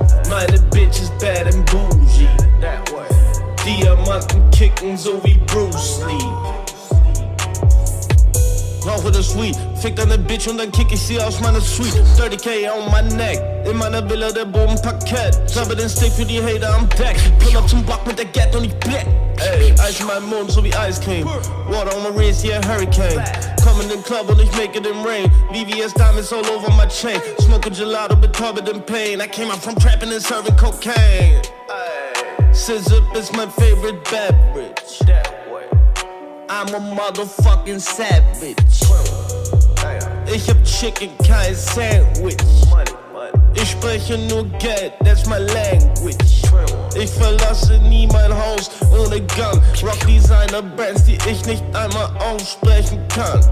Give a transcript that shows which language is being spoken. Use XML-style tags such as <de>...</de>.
<de>Meine Bitch</de> <en>is bad and bougie.</en> <de>Diamanten kicken so wie Bruce Lee. Rauche das Weed, fick deine Bitch und dann kick ich sie aus meiner Suite.</de> <en>30k on my neck,</en> <de>in meiner Villa der Bodenparkett. Serve den Steak für die Hater am Deck.</de> <en>Pull up</en> <de>zum Block mit der Ghetto und ich bleck. Ey, Eis in meinem Mund so wie Ice Cream.</de> <en>Water on my wrist, yeah, Hurricane.</en> <de>Komm in den Club und ich</de> <en>make it in rain. VVS Diamonds all over my chain. Smoke a gelato, betäubet in pain. I came out from trapping and serving cocaine. Scissor is my favorite beverage. I'm a motherfucking savage.</en> <de>Ich hab Chicken, kein Sandwich. Ich spreche nur Geld,</de> <en>that's my language.</en> <de>Ich verlasse nie mein Haus ohne Gun. Rock Designer Bands, die ich nicht einmal aussprechen kann.</de>